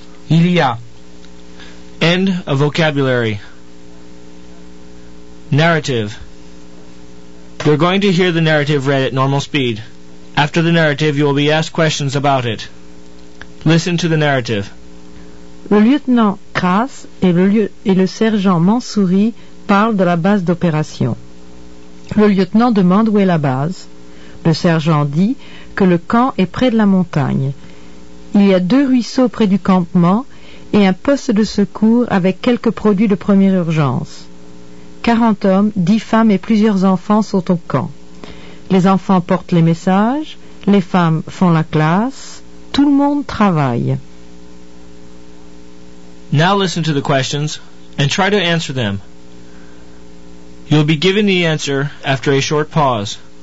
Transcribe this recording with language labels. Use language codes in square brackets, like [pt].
[fr] Il y a. [en] End of vocabulary. Narrative. You're going to hear the narrative read at normal speed. After the narrative, you will be asked questions about it. Listen to the narrative. [fr] Le lieutenant Kras et le sergent Mansouri parlent de la base d'opération. Le lieutenant demande où est la base. Le sergent dit que le camp est près de la montagne. Il y a deux ruisseaux près du campement et un poste de secours avec quelques produits de première urgence. 40 hommes, 10 femmes et plusieurs enfants sont au camp. Les enfants portent les messages, les femmes font la classe, tout le monde travaille. [en] Now listen to the questions and try to answer them. You'll be given the answer after a short pause.